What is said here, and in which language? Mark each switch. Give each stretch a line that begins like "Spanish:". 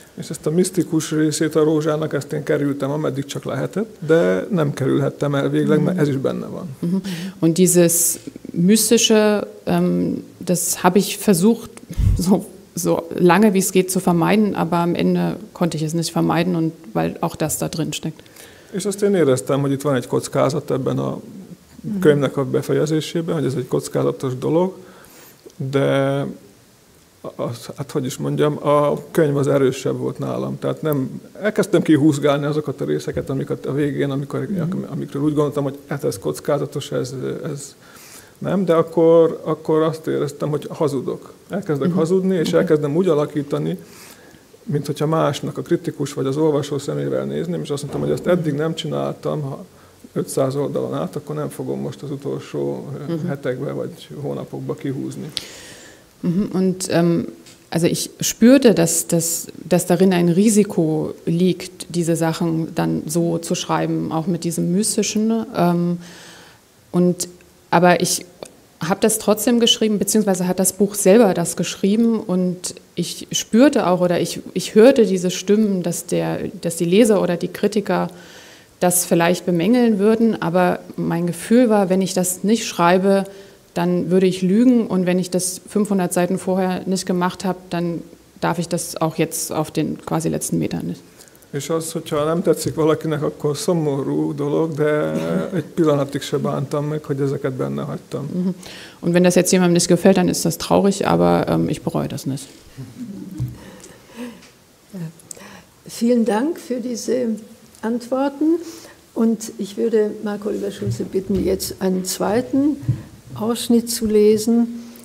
Hungarian: És ezt a misztikus részét a rózsának, ezt én kerültem, ameddig csak lehetett, de nem kerülhettem el végleg, mert ez is benne van.
German: Und dieses Mystische, das habe ich versucht, so lange wie es geht, zu vermeiden, aber am Ende konnte ich es nicht vermeiden, und weil auch das da drin steckt.
Hungarian: És azt én éreztem, hogy itt van egy kockázat ebben a könyvnek a befejezésében, hogy ez egy kockázatos dolog, de hát hogy is mondjam, a könyv az erősebb volt nálam. Tehát nem, elkezdtem kihúzgálni azokat a részeket, amiket a végén, amikről úgy gondoltam, hogy hát ez kockázatos, ez nem, de akkor azt éreztem, hogy hazudok. Elkezdek hazudni, és elkezdem úgy alakítani, mintha másnak, a kritikus vagy az olvasó szemével nézném, és azt mondtam, hogy ezt eddig nem csináltam, ha 500 oldalon át, akkor nem fogom most az utolsó hetekbe vagy hónapokba kihúzni.
German: Und also ich spürte, dass darin ein Risiko liegt, diese Sachen dann so zu schreiben, auch mit diesem Mystischen. Aber ich habe das trotzdem geschrieben, beziehungsweise hat das Buch selber das geschrieben, und ich spürte auch oder ich hörte diese Stimmen, dass die Leser oder die Kritiker das vielleicht bemängeln würden, aber mein Gefühl war, wenn ich das nicht schreibe, dann würde ich lügen, und wenn ich das 500 Seiten vorher nicht gemacht habe, dann darf ich das auch jetzt auf den quasi letzten Metern nicht.
Hungarian: És az, hogyha nem tetszik valakinek, akkor szomorú dolog, de egy pillanatig se bántam meg, hogy ezeket benne hagytam.
German: Und wenn das jetzt jemandem nicht gefällt, dann ist das traurig, aber ich bereue das nicht. Vielen Dank für diese Antworten. Und ich würde Marco Überschulze bitten, jetzt einen zweiten Ausschnitt zu lesen.